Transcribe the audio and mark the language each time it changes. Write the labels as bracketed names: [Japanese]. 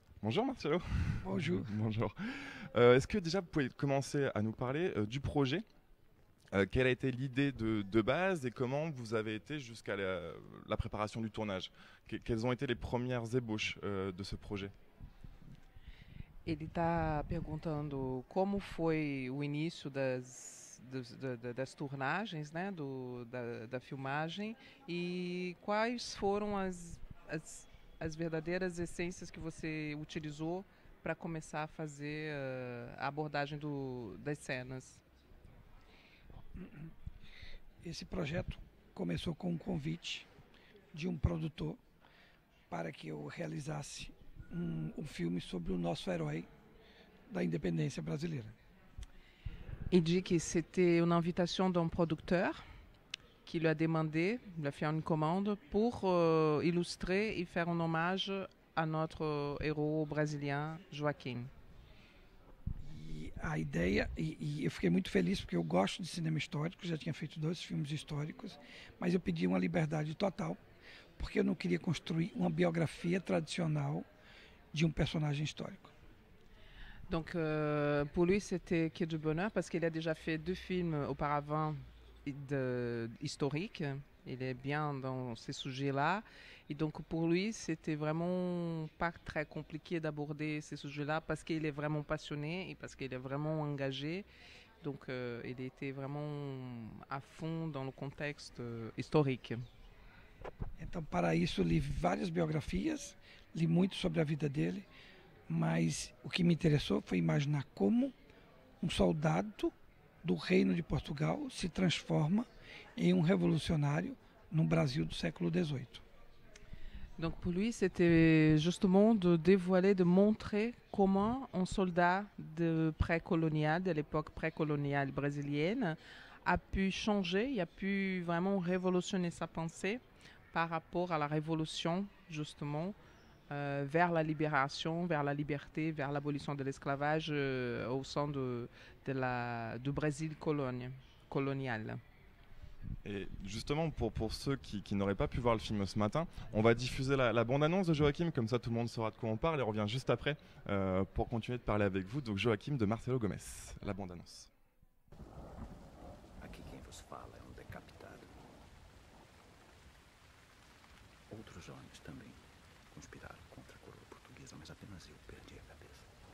[French] Bonjour Marcio. Bonjour. Bonjour. Est-ce que déjà vous pouvez commencer à nous parler du projet? Quelle a été l'idée de base et comment vous avez été jusqu'à la préparation du tournage? Quelles ont été les premières ébauches de ce projet? [Portuguese] Ele está perguntando como foi o início das tournagens, né, da filmagem e quais foram as verdadeiras essências que você utilizou para começar a fazer a abordagem das cenas. Esse projeto começou com um convite de um produtor para que eu realizasse um filme sobre o nosso herói da independência brasileira. [French] Il dit que c'était une invitation d'un producteur qui lui a demandé, lui a fait une commande pour illustrer et faire un hommage à notre héros brésilien Joaquim. [Portuguese] A ideia, e eu fiquei muito feliz porque eu gosto de cinema histórico, já tinha feito dois filmes históricos, mas eu pedi uma liberdade total, porque eu não queria construir uma biografia tradicional de um personagem histórico. [French] Donc pour lui c'était que du bonheur parce qu'il a déjà fait deux films auparavant de historique, il est bien dans ces sujets-là et donc pour lui c'était vraiment pas très compliqué d'aborder ces sujets-là parce qu'il est vraiment passionné et parce qu'il est vraiment engagé, donc il était vraiment à fond dans le contexte historique. [Portuguese] Então para isso li várias biografias, li muito sobre a vida dele, mas o que me interessou foi imaginar como soldado do reino de Portugal se transforma em revolucionário no Brasil do século XVIII. [French] Donc pour lui c'était justement de dévoiler, de montrer comment un soldat de pré-colonial, de l'époque pré-coloniale brésilienne, a pu changer, il a pu vraiment révolutionner sa pensée par rapport à la révolution justement vers la libération, vers la liberté, vers l'abolition de l'esclavage au sein du Brésil colonial. Et justement, pour ceux qui n'auraient pas pu voir le film ce matin, on va diffuser la bande-annonce de Joachim, comme ça tout le monde saura de quoi on parle, et on revient juste après pour continuer de parler avec vous. Donc Joachim de Marcelo Gomez, la bande-annonce. [Portuguese] Aqui quem vos fala é decapitado. Outros homens também conspiraram contra a coroa portuguesa, mas apenas eu perdi a cabeça.